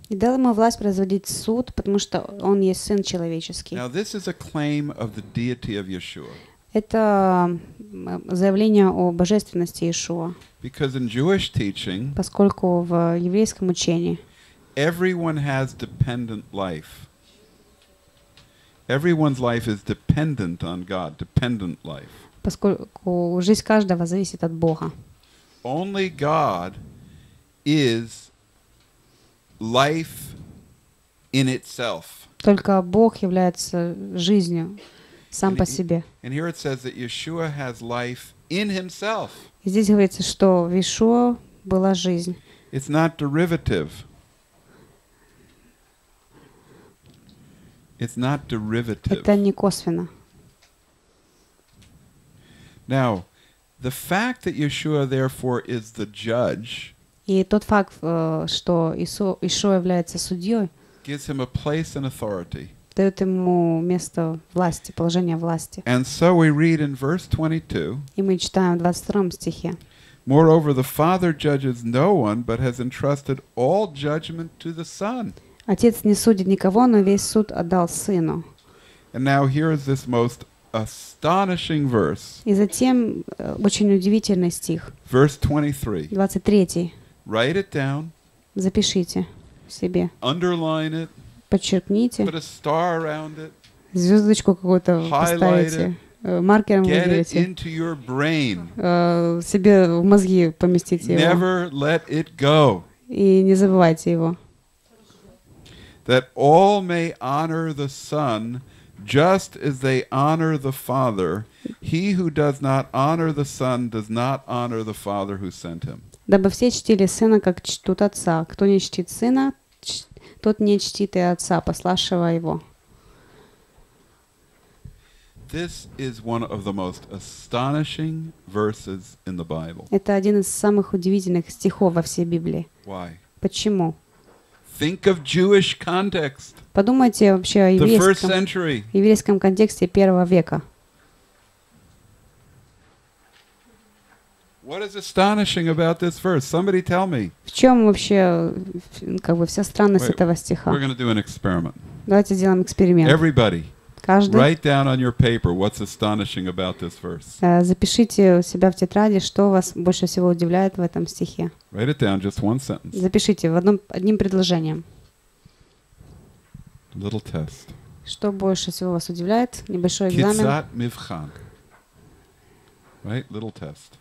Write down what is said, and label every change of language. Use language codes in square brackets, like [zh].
[ru] И дал ему власть производить суд, потому что он есть Сын человеческий. [en] Now this is a claim of the deity of Yeshua. [ru] Это заявление о божественности Иешуа. [en] Because in Jewish teaching, [ru] поскольку в еврейском учении, [en] everyone has dependent life. Everyone's life is dependent on God, dependent life. [ru] Поскольку жизнь каждого зависит от Бога. [en] Only God is life in itself. [ru] Только Бог является жизнью сам по себе. [en] And here it says that Yeshua has life in himself. [ru] И здесь говорится, что в Иешуа была жизнь. [en] It's not derivative. It's not derivative. [ru] Это не косвенно. [en] Now, the fact that Yeshua therefore is the judge. [ru] И тот факт, что Иешуа является судьей. [en] Gives him a place and authority. [ru] Дает ему место власти, положение власти. [en] And so we read in verse 22. [ru] И мы читаем в 22 стихе. [en] Moreover, the Father judges no one, but has entrusted all judgment to the Son. [ru] Отец не судит никого, но весь суд отдал Сыну. [en] And now here is this most astonishing verse. [ru] И затем очень удивительный стих. [en] Verse 23. [ru] 23. [en] Write it down. [ru] Запишите себе. [en] Underline it. [ru] Подчеркните. [en] Put a star around it. [ru] Звездочку какую-то поставите. Маркером [en] get [ru] выделите. [en] Get it into your brain. [ru] Себе в мозги поместите [en] Never [ru] его. [en] Never let it go. [ru] И не забывайте его. [en] That all may honor the Son, just as they honor the Father. He who does not honor the Son does not honor the Father who sent him. [ru] Дабы все чтили Сына, как чтут Отца. Кто не чтит Сына, тот не чтит и Отца, пославшего Его. [en] This is one of the most astonishing verses in the Bible. [ru] Это один из самых удивительных стихов во всей Библии. [en] Why? [ru] Почему? [en] Think of Jewish context. [ru] Подумайте вообще о еврейском контексте первого века. [en] What is astonishing about this verse? Somebody tell me. [ru] В чем вообще как бы вся странность этого стиха? [en] We're going to do an experiment. [ru] Давайте сделаем эксперимент. [en] Everybody. [ru] Каждый. [en] Write down on your paper what's astonishing about this verse. [ru] Запишите у себя в тетради, что вас больше всего удивляет в этом стихе. [en] Write it down, just one sentence. [ru] Запишите в одним предложением. [en] Little test. [ru] Что больше всего вас удивляет? Небольшой экзамен. [he] Китсат мивхан. [en] Right? Little test.